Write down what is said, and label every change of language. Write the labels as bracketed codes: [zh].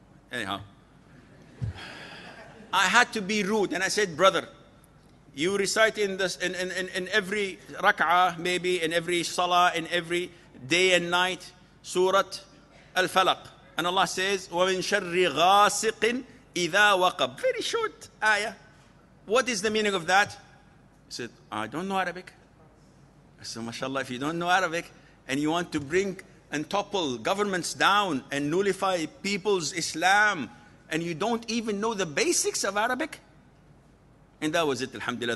[en] Anyhow. I had to be rude, and I said, brother, you recite in this, in every rak'ah, maybe, in every salah, in every day and night, Surat Al-Falaq. And Allah says, [ar] وَمِن شَرِّ غَاسِقٍ إِذَا وَقَبْ. [en] Very short ayah. What is the meaning of that? He said, I don't know Arabic. I said, mashallah, if you don't know Arabic, and you want to bring and topple governments down and nullify people's Islam, and you don't even know the basics of Arabic? And that was it, alhamdulillah.